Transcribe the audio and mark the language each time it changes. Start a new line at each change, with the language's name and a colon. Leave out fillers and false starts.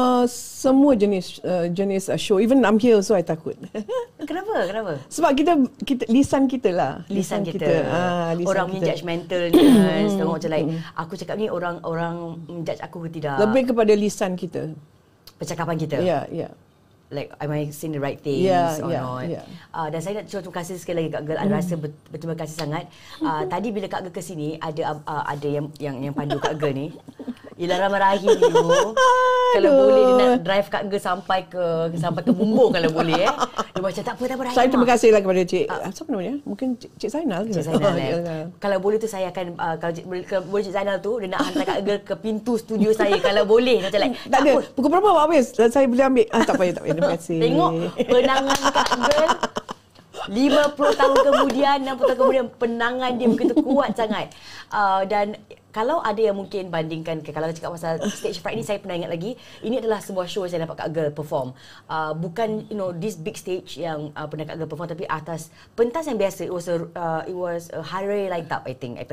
Malay: Semua jenis show.
English: Even I'm here also, I
Malay: takut. Kenapa? Sebab kita lisan kita lah. Lisan kita. Orang punya judgmentalness. Tengok macam like, aku cakap ni orang judge aku ke tidak. Lebih kepada lisan kita. Percakapan kita.
English: Yeah. Like, am I saying the right things or not?
Malay: Dan saya nak terima kasih sekali lagi Kak Girl. Saya rasa berterima kasih sangat. Tadi bila Kak Girl ke sini, ada yang pandu Kak Girl ni. Yelah, Rahimah Rahim tu. Kalau boleh, nak drive Kak Girl sampai ke bumbung kalau boleh. Dia macam, tak apa Rahimah. Saya terima kasih lah kepada Cik. Siapa namanya? Mungkin Cik Zainal. Cik Zainal. Kalau boleh tu, saya akan, kalau boleh Cik Zainal tu, dia nak hantar Kak Girl ke pintu studio saya. Kalau boleh. Macam like, tak ada. Pukul berapa awak habis? Saya boleh ambil. Tak payah. Tengok penangan Kak Girl 50 tahun kemudian, 60 tahun kemudian, penangan dia begitu kuat sangat. Dan kalau ada yang mungkin bandingkan, kalau cakap pasal stage fright ni, saya pernah ingat lagi, ini adalah sebuah show saya dapat Kak Girl perform. Bukan,
English: you know, this big stage
Malay: yang pernah Kak Girl perform, tapi atas pentas yang biasa.
English: It was a high-ray light up, I think.